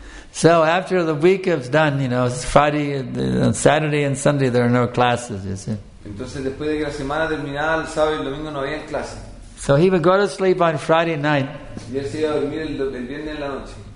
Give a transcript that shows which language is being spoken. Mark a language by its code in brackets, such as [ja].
[en] So after the week is done, you know, Friday, on Saturday and Sunday there are no classes, you see. [es] Entonces después de que la semana terminaba, el sábado y el domingo no había clase. [en] So he would go to sleep on Friday night. Y él se iba a dormir el viernes en la noche.